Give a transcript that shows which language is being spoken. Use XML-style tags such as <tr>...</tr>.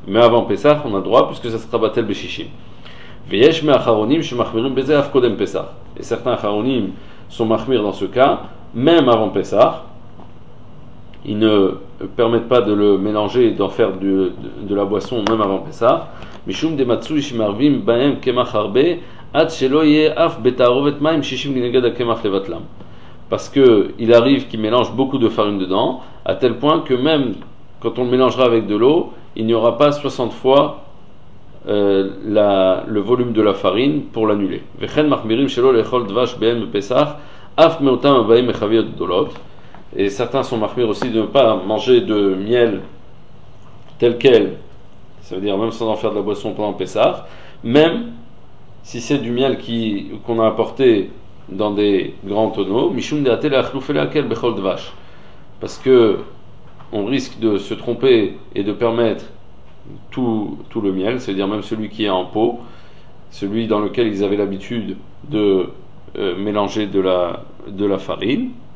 <fr>Mais avant Pessah, on a le droit, puisque ça sera batel b'shishim. Et certains acharonim sont machmir dans ce cas même avant Pessah, ils ne permettent pas de le mélanger et d'en faire de la boisson même avant Pessah. Mishum de matzui shimarvim baem kemach harbe</fr> <he>עד שלא יהיה אף בתערובת מים 60 נגד הקמח לבטלם.</he> <fr>Parce que il arrive qu'il mélange beaucoup de farine dedans, à tel point que même quand on le mélangera avec de l'eau, il n'y aura pas 60 fois le volume de la farine pour l'annuler.</fr> <he>וכן מחמירים שלא לאכול דבש בהם בפסח, אף מאותם הבאים מחביות גדולות.</he> <fr>Et certains sont marqués aussi de ne pas manger de miel tel quel, ça veut dire même sans en faire de la boisson pendant Pessah, même si c'est du miel qu'on a apporté dans des grands tonneaux, Mishum de Akel Bechol Dvash, parce qu'on risque de se tromper et de permettre tout le miel, ça veut dire même celui qui est en pot, celui dans lequel ils avaient l'habitude de mélanger de la farine.</fr>